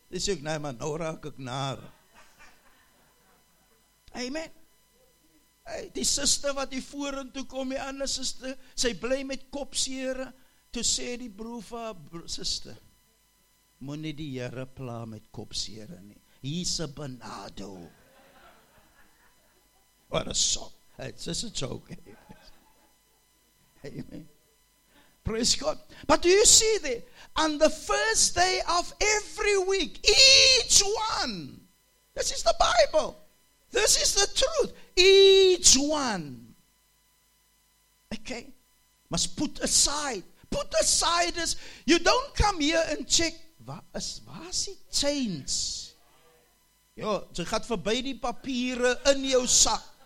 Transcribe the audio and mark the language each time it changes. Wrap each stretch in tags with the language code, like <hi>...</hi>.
<af>Dis ook nie, maar nou raak ek naar. Amen. Hey, die sister wat hier vorentoe kom, die ander sister, sy bly met kopseer, toe sê die broer van haar sister, moet nie die Here pla met kopseer nie.</af> <en>He's a banado. What a shock. It's just a joke. Amen. Praise God. But do you see that? On the first day of every week, each one, this is the Bible, this is the truth, each one, okay, must put aside. Put aside this. You don't come here and check,</en> <af>waar is die chains? Ja, jy gaat verby die papiere in jou sak.</af>